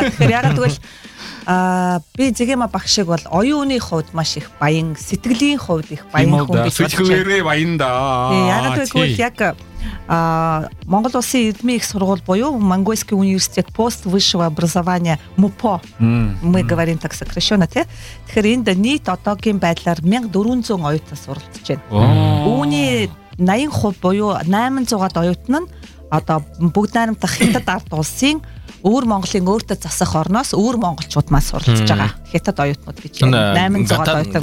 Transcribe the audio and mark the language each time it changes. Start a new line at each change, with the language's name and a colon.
Mongolian: Тэгэхээр яг тэгвэл би зэгима багшиг бол оюуны хувьд маш их баян, сэтгэлийн хувьд их баян хүн гэж сэтгэлээрээ баян да. Яг тэгвэл яг Монгол улсын эрдмийн их сургууль буюу Монгольский университет пост высшего образования МУПО.
Russian: Мы говорим так сокращенно, тэ?
Mongolian: Тэгэхээр энд нийт одоогийн байдлаар 1400 оюутан суралцж байна. Үүний 80% буюу 800-аад оюутан нь одоо бүгд найрамдах Хятад ард улсын өөр Монголын өөртөө засах орноос өөр монголчууд маань суралцж байгаа. Хятад оюутнууд гэж 800-аад оюутан.